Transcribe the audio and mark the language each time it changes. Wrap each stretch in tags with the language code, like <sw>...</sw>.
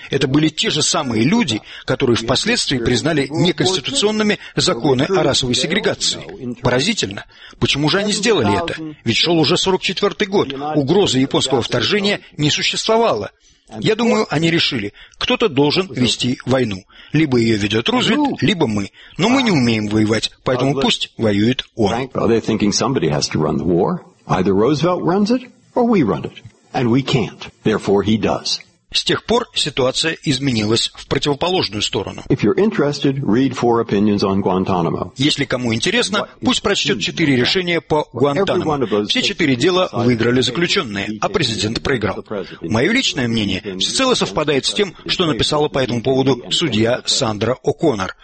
<ru>Это были те же самые люди, которые впоследствии признали неконституционными законы о расовой сегрегации. Поразительно. Почему же они сделали это? Ведь шел уже 44-й год. Угрозы японского вторжения не существовало. Я думаю, они решили, кто-то должен вести войну. Либо ее ведет Рузвельт, либо мы. Но мы не умеем воевать, поэтому пусть воюет он.</ru> <en>Either Roosevelt runs it, or we run it. And we can't. Therefore, he does.</en> <ru>С тех пор ситуация изменилась в противоположную сторону.</ru> <en>If you're interested, read four opinions on Guantanamo.</en> <ru>Если кому интересно, пусть прочтет четыре решения по Гуантанамо. Все четыре дела выиграли заключенные, а президент проиграл. Мое личное мнение всецело совпадает с тем, что написала по этому поводу судья Сандра О'Коннор.</ru>